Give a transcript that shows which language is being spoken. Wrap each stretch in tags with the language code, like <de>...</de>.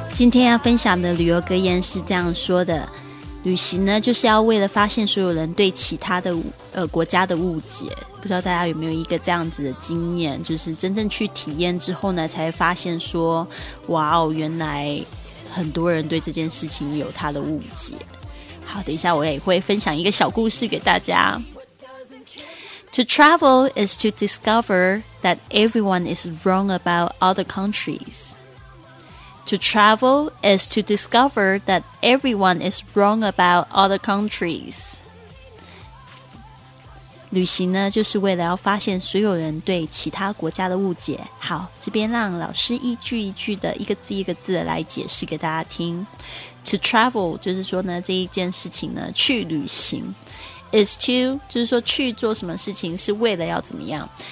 <zh>今天要分享的旅游格言是这样说的，旅行呢就是要为了发现所有人对其他的国家的误解。不知道大家有没有一个这样子的经验，就是真正去体验之后呢才发现说，哇哦，原来很多人对这件事情有他的误解。好，等一下我也会分享一个小故事给大家。</zh> <en>To travel is to discover that everyone is wrong about other countries. To travel is to discover that everyone is wrong about other countries.</en> <zh>旅行呢就是为了要发现所有人对其他国家的误解。好，这边让老师一句一句的一个字一个字的来解释给大家听。</zh> <en>To travel</en> <zh>就是说呢这一件事情呢去旅行，</zh> <en>is to</en> <zh>就是说去做什么事情是为了要怎么样。</zh>